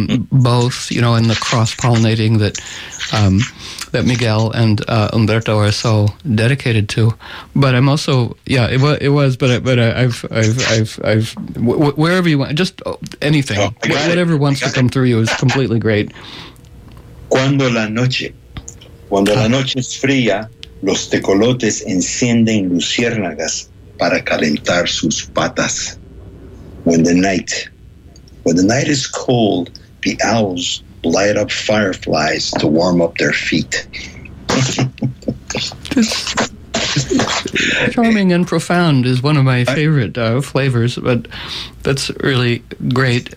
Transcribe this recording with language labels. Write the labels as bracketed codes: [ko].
[en] Both, you know, in the cross-pollinating that that Miguel and Humberto are so dedicated to. But I'm also, yeah, it was. Wherever you want, just anything, whatever wants to come through you is completely great. [es] Cuando la noche es fría, los tecolotes encienden luciérnagas para calentar sus patas. [en] When the night is cold, the owls light up fireflies to warm up their feet. Charming and profound is one of my favorite flavors, but that's really great.